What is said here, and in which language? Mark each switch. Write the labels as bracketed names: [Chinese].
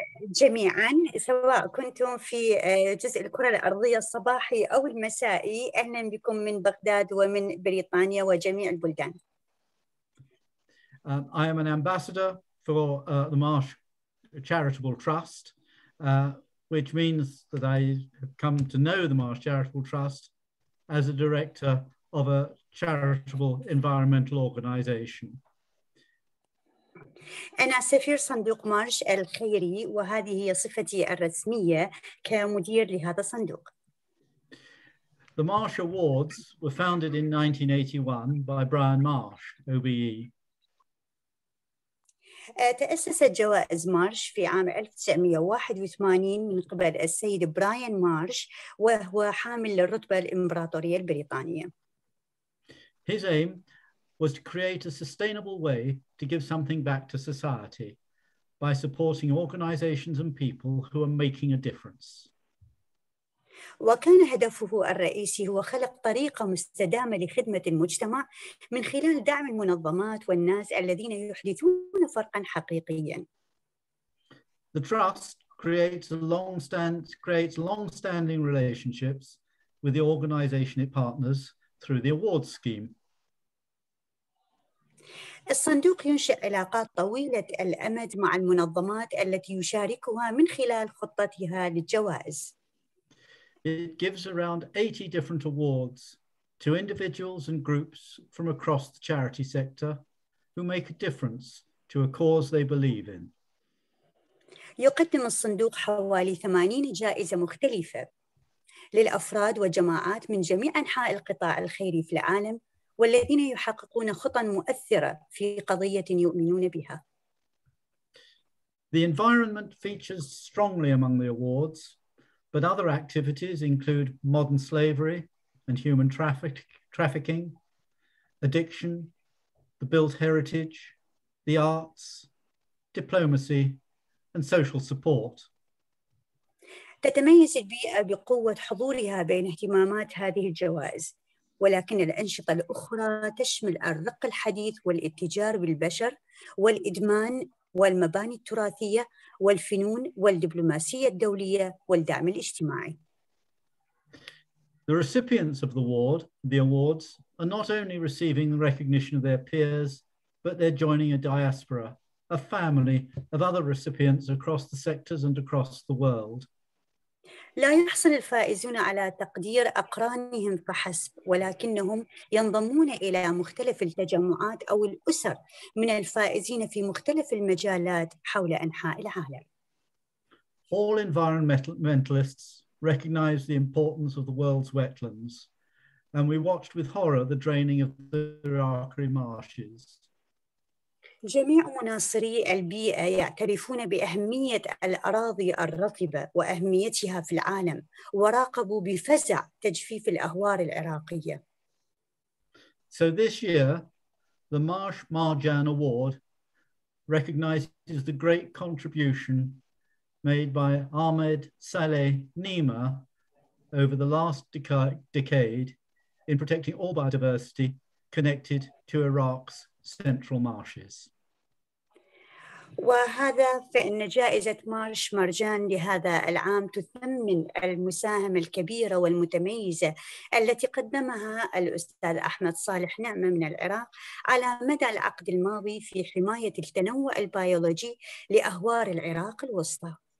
[Arabic] جميعا سواء كنتم في جزء الكرة الأرضية الصباحي أو المسائي أهلا بكم من بغداد ومن بريطانيا وجميع البلدان. [English] I am an ambassador for the Marsh Charitable Trust, which means that I have come to know the Marsh Charitable Trust as a director of a charitable environmental organization. [Arabic] أنا سفير صندوق مارش الخيري وهذه هي صفتي الرسمية كمدير لهذا الصندوق. [English] The Marsh Awards were founded in 1981 by Brian Marsh, OBE. [Arabic] تأسست جوائز مارش في عام 1981 من قبل السيد براين مارش وهو حامل للرتبة الإمبراطورية البريطانية. [English] His aim was to create a sustainable way to give something back to society by supporting organizations and people who are making a difference. [Arabic] وكان هدفه الرئيسي هو خلق طريقة مستدامة لخدمة المجتمع من خلال دعم المنظمات والناس الذين يحدثون فرقاً حقيقياً. [English] The trust creates long-standing relationships with the organization it partners through the awards scheme. [Arabic] الصندوق ينشئ علاقات طويلة الأمد مع المنظمات التي يشاركها من خلال خطتها للجوائز. [English] It gives around 80 different awards to individuals and groups from across the charity sector who make a difference to a cause they believe in. [Arabic] يقدم الصندوق حوالي 80 جائزة مختلفة للأفراد وجماعات من جميع أنحاء القطاع الخيري في العالم والذين يحققون خطى مؤثرة في قضية يؤمنون بها. [English] The environment features strongly among the awards, but other activities include modern slavery and human trafficking, addiction, the built heritage, the arts, diplomacy, and social support. [Arabic] تتميز البيئة بقوة حضورها بين اهتمامات هذه الجوائز. ولكن الأنشطة الأخرى تشمل الرق الحديث والاتجار بالبشر والإدمان والمباني التراثية والفنون والدبلوماسية الدولية والدعم الاجتماعي. [English] The recipients of the awards are not only receiving the recognition of their peers, but they're joining a diaspora, a family of other recipients across the sectors and across the world. [Arabic] لا يحصل الفائزون على تقدير أقرانهم فحسب ولكنهم ينضمون إلى مختلف التجمعات أو الأسر من الفائزين في مختلف المجالات حول أنحاء العالم. [English] All environmentalists recognize the importance of the world's wetlands and we watched with horror the draining of the Iraqi marshes. [Arabic] جميع مناصري البيئة يعترفون بأهمية الأراضي الرطبة وأهميتها في العالم وراقبوا بفزع تجفيف الأهوار العراقية. [English] So this year, the Marsh Marjan Award recognizes the great contribution made by Ahmed Saleh Neema over the last decade in protecting all biodiversity connected to Iraq's central marshes. [Arabic] وهذا فإن جائزة مارش مرجان لهذا العام تثمن المساهمة الكبيرة والمتميزة التي قدمها الأستاذ أحمد صالح نعمة من العراق على مدى العقد الماضي في حماية التنوع البيولوجي لأهوار العراق الوسطى.